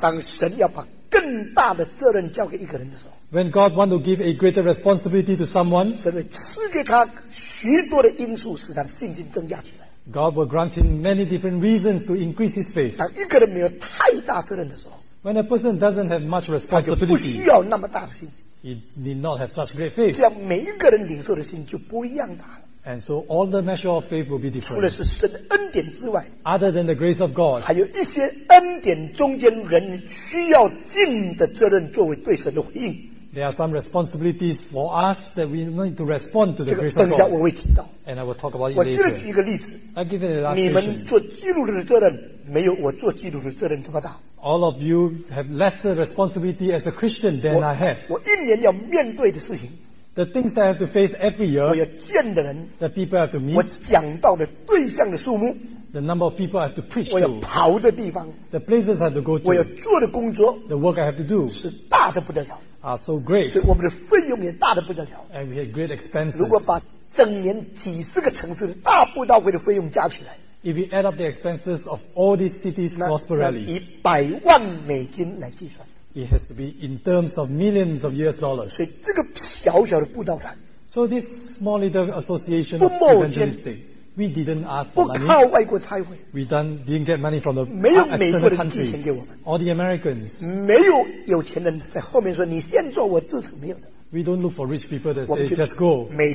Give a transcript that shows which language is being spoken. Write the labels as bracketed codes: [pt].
[zh] 当神要把更大的责任交给一个人的时候， [en] When God wants to give a greater responsibility to someone, [zh] 神会赐给他许多的因素，使他的信心增加起来。 [en] God will grant him many different reasons to increase his faith. [zh] 当一个人没有太大责任的时候， [en] When a person doesn't have much responsibility, [zh] 他就不需要那么大的信心。 [en] He need not have such great faith. [zh] 这样每一个人领受的信心就不一样大了。 [en] And so all the measure of faith will be different. [zh] 除了是神的恩典之外， [en] Other than the grace of God, [zh] 还有一些恩典中间人需要尽的责任作为对神的回应。 [en] There are some responsibilities for us that we need to respond to the grace of God. [zh] 这个等一下我会提到。 [en] And I will talk about it later. [zh] 我现在举一个例子。 [en] I give it a last [zh] 你们做基督徒的责任没有我做基督徒的责任这么大。 [en] All of you have lesser responsibility as a Christian than I have. [zh] 我一年要面对的事情。 [en] The things that I have to face every year. [zh] 我要见的人。 [en] The people I have to meet. [zh] 我讲到的对象的数目。 [en] the number of people I have to preach to, [zh] 我要跑的地方, [en] the places I have to go to, [zh] 我要做的工作, [en] the work I have to do, [zh] 是大的不得了, [en] are so great. [zh] 所以我们的费用也大得不得了, [en] and we had great expenses. [zh] 如果把整年几十个城市的大步道会的费用加起来, [en] if you add up the expenses of all these cities prosperity, [zh] 以百万美金来计算, [en] it has to be in terms of millions of US dollars. [zh] 所以这个小小的步道团, [en] so this small little association of evangelistic, we didn't ask for money. [zh] 不靠外国差会, [en] we didn't get money from the external countries. All the Americans. [zh] 没有有钱人在后面说, [en] we don't look for rich people that say, just go.